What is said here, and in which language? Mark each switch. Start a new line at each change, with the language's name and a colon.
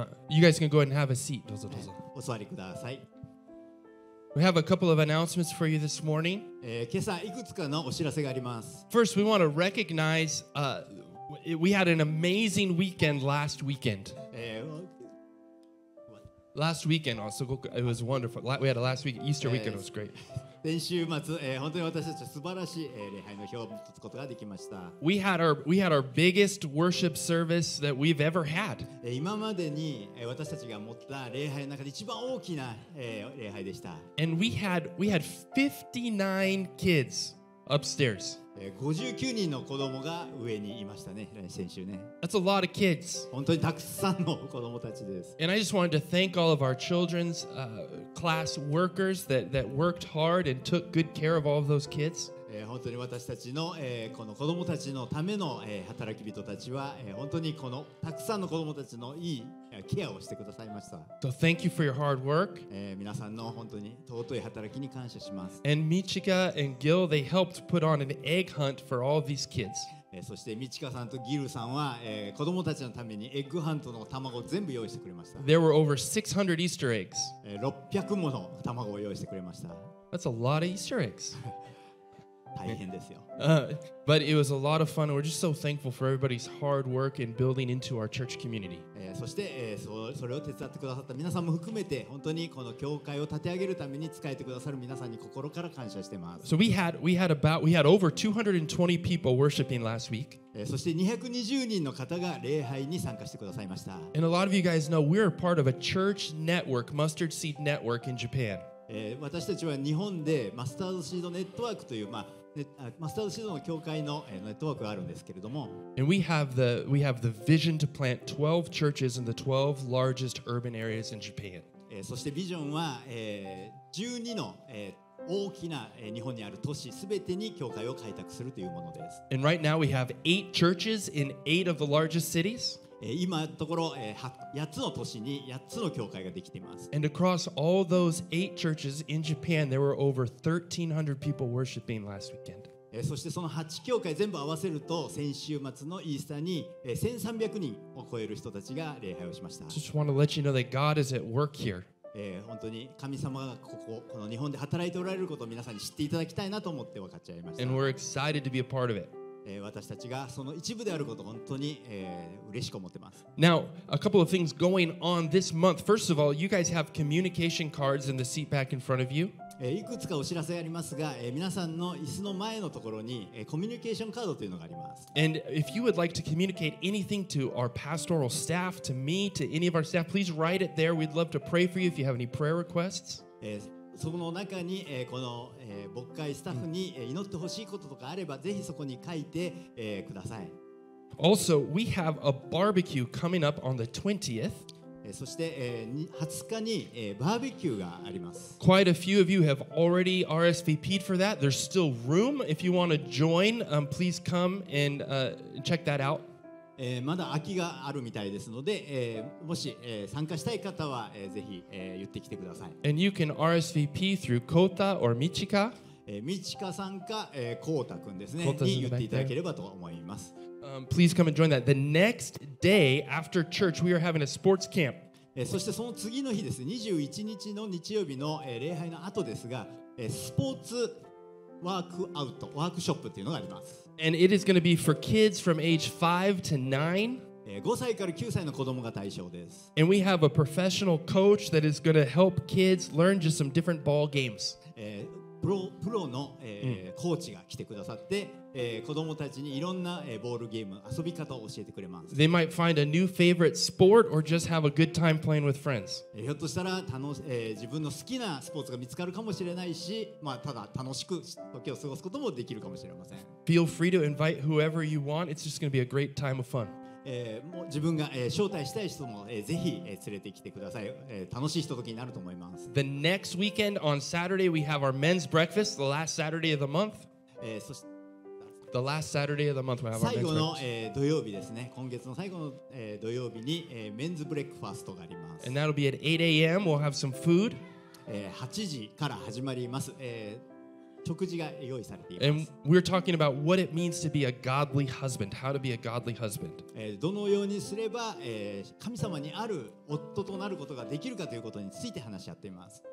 English: You guys can go ahead and have a seat.
Japanese: どうぞどうぞ。お座りください。
English: We have a couple of announcements for you this morning.
Japanese: 今朝いくつかのお知らせがあります。
English: First, we want to recognize, we had an amazing weekend last weekend. Last weekend, it was wonderful. We had a last week, Easter weekend, it was great.
Japanese: 先週末、本当に私たちは素晴らしい、礼拝の日を持つことができました。
English: We had our biggest worship service that we've ever had.
Japanese: 今までに、私たちが持った礼拝の中で一番大きな、礼拝でした。
English: And we had 59 kids upstairs.
Japanese: 59人の子供が上にいましたね、先週ね。
English: That's a lot of kids.
Japanese: 本当にたくさんの子供たちです。
English: And I just wanted to thank all of our children's, class workers that worked hard and took good care of all of those kids.
Japanese: 本当に私たちの、この子供たちのための、働き人たちは、本当にこのたくさんの子供たちのいいケアをしてくださいました。
English: So thank you for your hard work.
Japanese: 皆さんの本当に尊い働きに感謝します。
English: And Michika and Gil, they helped put on an egg hunt for all of these kids.
Japanese: そしてミチカさんとギルさんは、子供たちのためにエッグハントの卵を全部用意してくれました。
English: There were over 600 Easter eggs.
Japanese: 600もの卵を用意してくれました。
English: That's a lot of Easter eggs.
Japanese: 大変ですよ。
English: But it was a lot of fun. We're just so thankful for everybody's hard work in building into our church community.
Japanese: そして、それを手伝ってくださった皆さんも含めて本当にこの教会を立て上げるために使えてくださる皆さんに心から感謝しています。
English: So we had over 220 people worshiping last week.
Japanese: そして220人の方が礼拝に参加してくださいました。
English: And a lot of you guys know we're part of a church network, Mustard Seed Network in Japan.
Japanese: 私たちは日本でマスタードシードネットワークというまあマスタードシードの教会のネットワークがあるんですけれども。
English: And we have the vision to plant 12 churches in the 12 largest urban areas in Japan.
Japanese: そしてビジョンは、12の、大きな、日本にある都市すべてに教会を開拓するというものです。
English: And right now we have 8 churches in 8 of the largest cities.
Japanese: 今のところ、8つの都市に8つの教会ができています。
English: And across all those 8 churches in Japan, there were over 1,300 people worshiping last weekend.
Japanese: そしてその8教会全部合わせると、先週末のイースターに1,300人を超える人たちが礼拝をしました。
English: Just want to let you know that God is at work here.
Japanese: 本当に神様がこの日本で働いておられることを皆さんに知っていただきたいなと思って分かっちゃいました。
English: And we're excited to be a part of it.
Japanese: 私たちがその一部であることを本当に、嬉しく思ってます。
English: Now, a couple of things going on this month. First of all, you guys have communication cards in the seat back in front of you.
Japanese: いくつかお知らせありますが、皆さんの椅子の前のところに、コミュニケーションカードというのがあります。
English: And if you would like to communicate anything to our pastoral staff, to me, to any of our staff, please write it there. We'd love to pray for you if you have any prayer requests.
Japanese: その中に、この、牧会スタッフに、祈ってほしいこととかあればぜひそこに書いて、ください。
English: Also, we have a barbecue coming up on the 20th.
Japanese: そして、20日に、バーベキューがあります。
English: Quite a few of you have already RSVP'd for that. There's still room. If you want to join, please come and, check that out.
Japanese: まだ空きがあるみたいですので、もし、参加したい方は、ぜひ、言ってきてください。
English: And you can RSVP through Kota or Michika.
Japanese: Michika さんか、Kota くんですね、に言っていただければと思います。
English: Please come and join that. The next day after church, we are having a sports camp.
Japanese: そしてその次の日です。21日の日曜日の、礼拝の後ですが、スポーツワークアウト、ワークショップっていうのがあります。
English: And it is going to be for kids from age 5 to 9.
Japanese: 5歳から9歳の子供が対象です。
English: And we have a professional coach that is going to help kids learn just some different ball games.
Japanese: プロの、コーチが来てくださって、子供たちにいろんな、ボールゲーム、遊び方を教えてくれます。
English: They might find a new favorite sport or just have a good time playing with friends.
Japanese: ひょっとしたら自分の好きなスポーツが見つかるかもしれないし、まあ、ただ楽しく時を過ごすこともできるかもしれません。
English: Feel free to invite whoever you want. It's just going to be a great time of fun.
Japanese: もう自分が、招待したい人も、ぜひ、連れてきてください。楽しいひとときになると思います。
English: The next weekend on Saturday, we have our men's breakfast, the last Saturday of the month.
Japanese: そして
English: The last Saturday of the month, we have our men's breakfast.
Japanese: 最後の、土曜日ですね。今月の最後の、土曜日に、メンズブレックファーストがあります。
English: And that'll be at 8 a.m. We'll have some food.
Japanese: 8時から始まります。食事が用意されています。
English: And we're talking about what it means to be a godly husband, how to be a godly husband.
Japanese: どのようにすれば、神様にある夫となることができるかということについて話し合っています。